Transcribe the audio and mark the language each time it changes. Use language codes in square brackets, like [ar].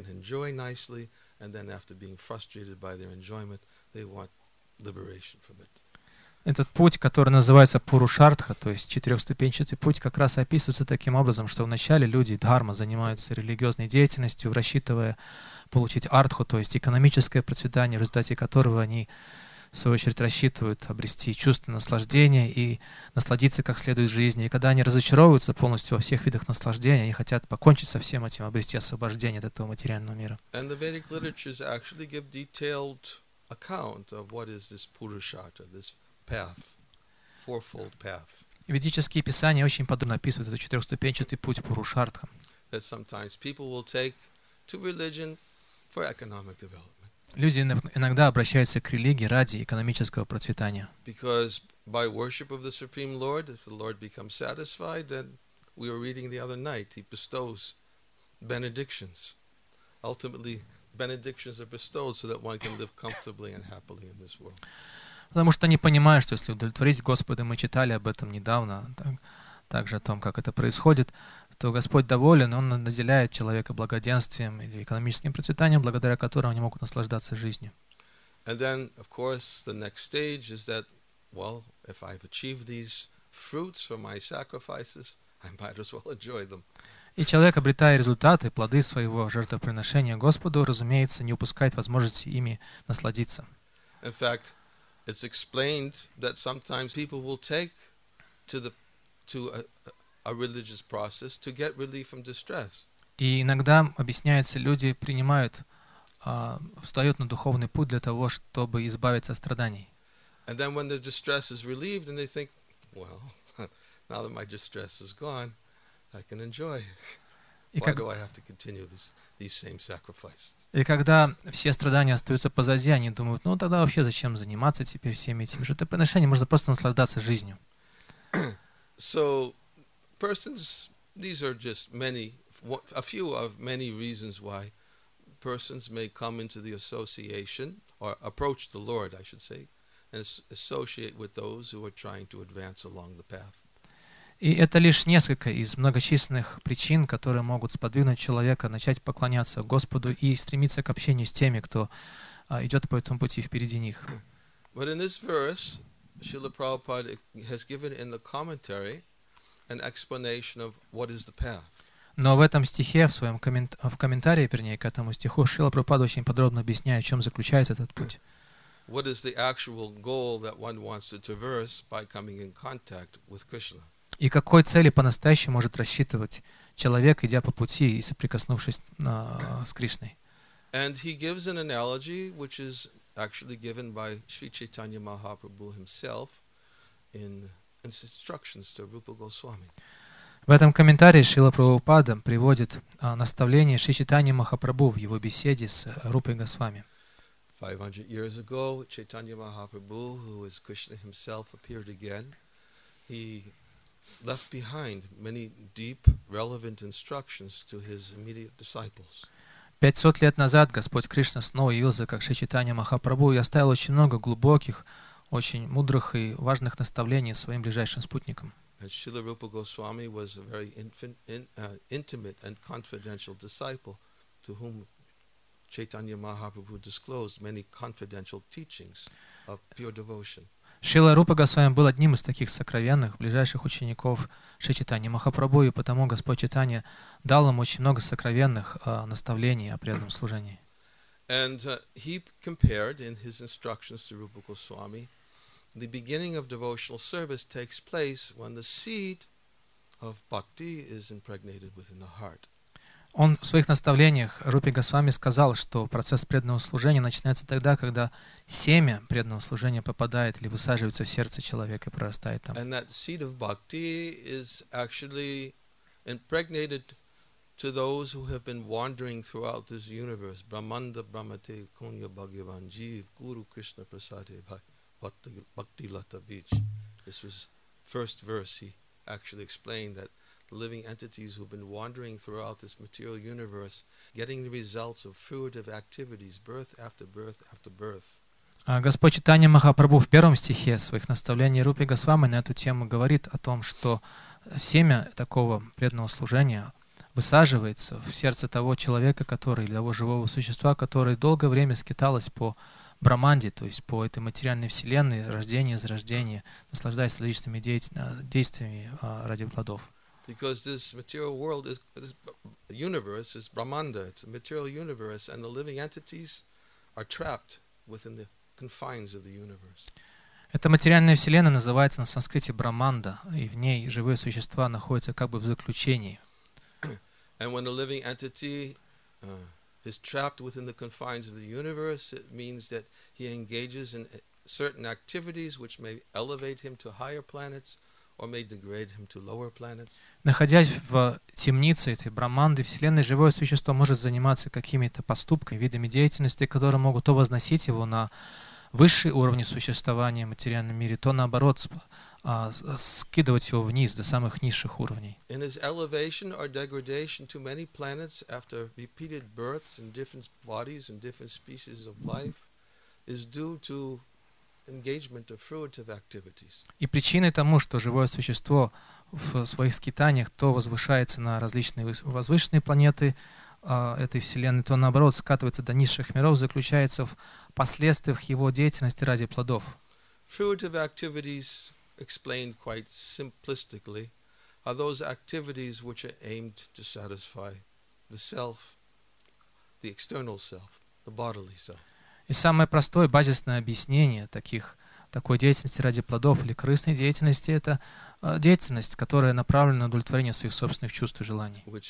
[en] And then after being frustrated by their enjoyment, they want liberation from it. [ru] Этот путь, который называется Пурушартха, то есть четырехступенчатый путь, как раз описывается таким образом, что вначале люди дхарма занимаются религиозной деятельностью, рассчитывая получить артху, то есть экономическое процветание, в результате которого они, в свою очередь, рассчитывают обрести чувство наслаждения и насладиться как следует жизнью. И когда они разочаровываются полностью во всех видах наслаждения, они хотят покончить со всем этим, обрести освобождение от этого материального мира. [en] And the Vedic literatures actually give detailed account of what is this Purushartha, this path, fourfold path. [ru] И ведические писания очень подробно описывают этот четырехступенчатый путь Пурушартха. [en] That sometimes people will take to religion for economic development. [ru] Люди иногда обращаются к религии ради экономического процветания. [en] Because by worship of the Supreme Lord, if the Lord becomes satisfied, then we were reading the other night, he bestows benedictions. Ultimately, benedictions are bestowed so that one can live comfortably and happily in this world. [ru] Потому что они понимают, что если удовлетворить Господа, мы читали об этом недавно, так, также о том, как это происходит, то Господь доволен, Он наделяет человека благоденствием или экономическим процветанием, благодаря которому они могут наслаждаться жизнью. [en] And then, of course, the next stage is that, well, if I've achieved these fruits from my sacrifices, I might as well enjoy them. [ru] И человек, обретая результаты, плоды своего жертвоприношения Господу, разумеется, не упускает возможности ими насладиться. [en] In fact, it's explained that sometimes people will take to a religious process to get relief from distress. [ru] И иногда, объясняется, люди принимают, встают на духовный путь для того, чтобы избавиться от страданий. [en] And then when the distress is relieved, and they think, well, now that my distress is gone, I can enjoy. Why do I have to continue these same sacrifices? [ru] И когда все страдания остаются позади, они думают, ну тогда вообще зачем заниматься теперь всеми этими жертвоприношениями, можно просто наслаждаться жизнью. [en] So, persons, these are just many, a few of many reasons why persons may come into the association, or approach the Lord, I should say, and associate with those who are trying to advance along the path. [ru] И это лишь несколько из многочисленных причин, которые могут сподвигнуть человека начать поклоняться Господу и стремиться к общению с теми, кто идет по этому пути впереди них. [en] But in this verse, Srila Prabhupada has given in the commentary an explanation of what is the path. [ru] Но в этом стихе, в комментарии, к этому стиху, Шрила Прабхупада очень подробно объясняет, в чем заключается этот путь. [en] What is the actual goal that one wants to traverse by coming in contact with Krishna? [ru] И какой цели по-настоящему может рассчитывать человек, идя по пути и соприкоснувшись с Кришной? [en] And he gives an analogy, which is actually given by Sri Chaitanya Mahaprabhu himself in instructions to Rupa Goswami. [ru] В этом комментарии Шрила Прабхупада приводит наставление Шри Чайтаньи Махапрабху в его беседе с Рупой Госвами. [en] 500 years ago, Chaitanya Mahaprabhu, who is Krishna himself, appeared again. He left behind many deep, relevant instructions to his immediate disciples. [ru] 500 лет назад Господь Кришна снова явился как Шри Чайтанья Махапрабху и оставил очень много глубоких, очень мудрых и важных наставлений своим ближайшим спутникам. [en] And Srila Rupa Goswami was a very intimate and confidential disciple to whom Chaitanya Mahaprabhu disclosed many confidential teachings of pure devotion. [ru] Шрила Рупа Госвами был одним из таких сокровенных, ближайших учеников Шри Чайтаньи Махапрабху, и потому Господь Чайтанья дал им очень много сокровенных наставлений о преданном служении. [en] And he compared in his instructions to Rupa Goswami, the beginning of devotional service takes place when the seed of bhakti is impregnated within the heart. [ru] Он в своих наставлениях Рупи Госвами сказал, что процесс преданного служения начинается тогда, когда семя преданного служения попадает или высаживается в сердце человека и прорастает там. [en] And that seed of bhakti is actually impregnated to those who have been wandering throughout this universe. [sa] Brahmanda, Brahmate, Kunya, Bhagavan, Jeev, Guru, Krishna, Prasade, Bhakti, Lata, Beach. [en] This was first verse he actually explained that living entities who've been wandering throughout this material universe, getting the results of fruitive activities, birth after birth after birth. [ru] Господь Чайтанья Махапрабху в первом стихе своих наставлений Рупи Госвами на эту тему говорит о том, что семя такого преданного служения высаживается в сердце того человека, который, или того живого существа, который долгое время скиталось по Браманди, то есть по этой материальной вселенной, рождение, зарождение, наслаждаясь различными действиями ради плодов. [en] Because this material world is, this universe is Brahmanda, it's a material universe, and the living entities are trapped within the confines of the universe. [ru] Эта материальная вселенная называется на санскрите Брахманда, и в ней живые существа находятся как бы в заключении. [en] And when a living entity is trapped within the confines of the universe, it means that he engages in certain activities which may elevate him to higher planets, or may degrade him to lower planets. [ru] Находясь в темнице этой Брахманды, вселенной, живое существо может заниматься какими-то поступками, видами деятельности, которые могут то возносить его на высшие уровни существования в материальном мире, то наоборот скидывать его вниз до самых низших уровней. [en] In his elevation or degradation to many planets after repeated births in different bodies and different species of life is due to engagement of fruitive activities. [ru] И причиной тому, что живое существо в своих скитаниях то возвышается на различные возвышенные планеты этой Вселенной, то наоборот скатывается до низших миров, заключается в последствиях его деятельности ради плодов. [en] Fruitive activities, explained quite simplistically, are those activities which are aimed to satisfy the self, the external self, the bodily self. [ru] И самое простое базисное объяснение таких такой деятельности ради плодов или корыстной деятельности — это деятельность, которая направлена на удовлетворение своих собственных чувств и желаний.